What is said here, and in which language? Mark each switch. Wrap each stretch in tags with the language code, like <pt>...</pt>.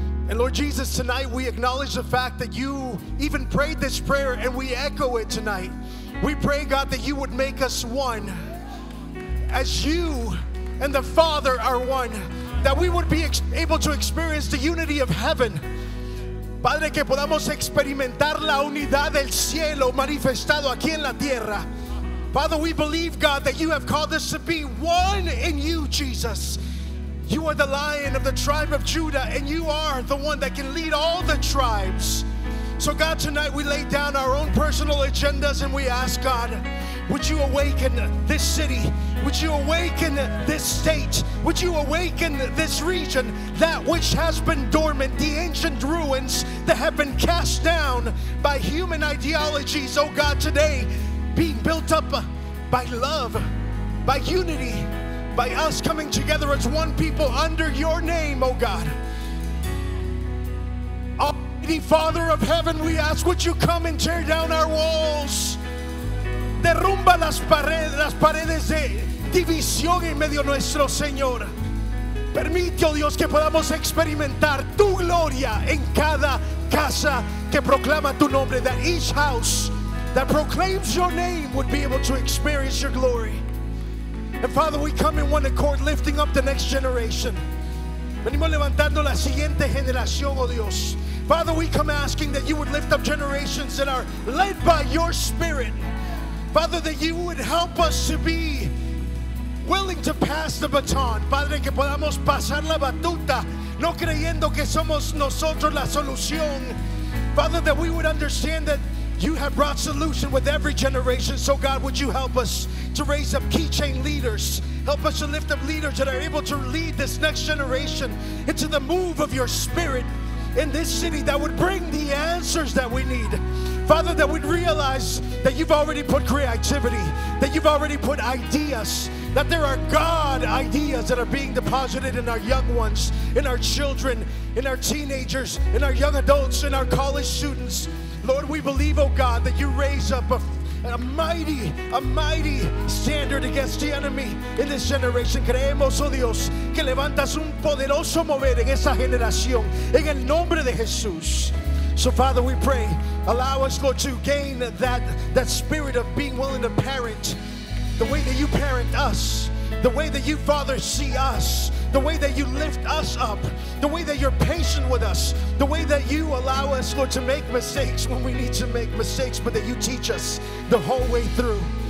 <en>And Lord Jesus, tonight we acknowledge the fact that you even prayed this prayer, and we echo it tonight. We pray, God, that you would make us one as you and the Father are one, that we would be able to experience the unity of heaven.</en> <es>Padre, que podamos experimentar la unidad del cielo manifestado aquí en la tierra.</es> <en>Father, we believe, God, that you have called us to be one in you, Jesus. You are the Lion of the tribe of Judah, and you are the one that can lead all the tribes. So, God, tonight we lay down our own personal agendas, and we ask, God, would you awaken this city? Would you awaken this state? Would you awaken this region? That which has been dormant, the ancient ruins that have been cast down by human ideologies, oh God, today being built up by love, by unity, by us coming together as one people under your name, oh God. Almighty Father of heaven, we ask, would you come and tear down our walls?</en> <es>Derrumba las paredes de división en medio nuestro, Señor. Permite, oh Dios, que podamos experimentar tu gloria en cada casa que proclama tu nombre.</es> <en>That each house that proclaims your name would be able to experience your glory. And Father, we come in one accord, lifting up the next generation.</en> <es>Venimos levantando la siguiente generación, oh Dios.</es> <en>Father, we come asking that you would lift up generations that are led by your Spirit. Father, that you would help us to be willing to pass the baton.</en> <es>Padre, que podamos pasar la batuta, no creyendo que somos nosotros la solución.</es> <en>Father, that we would understand that you have brought solution with every generation. So God, would you help us to raise up keychain leaders? Help us to lift up leaders that are able to lead this next generation into the move of your Spirit in this city that would bring the answers that we need. Father, that we'd realize that you've already put creativity, that you've already put ideas, that there are God ideas that are being deposited in our young ones, in our children, in our teenagers, in our young adults, in our college students. Lord, we believe, oh God, that you raise up a mighty standard against the enemy in this generation.</en> <es>Creemos, oh Dios, que levantas un poderoso mover en esa generación, en el nombre de Jesús.</es> <en>So, Father, we pray, allow us, Lord, to gain that spirit of being willing to parent the way that you parent us, the way that you, Father, see us, the way that you lift us up, the way that you're patient with us, the way that you allow us, Lord, to make mistakes when we need to make mistakes, but that you teach us the whole way through.</en>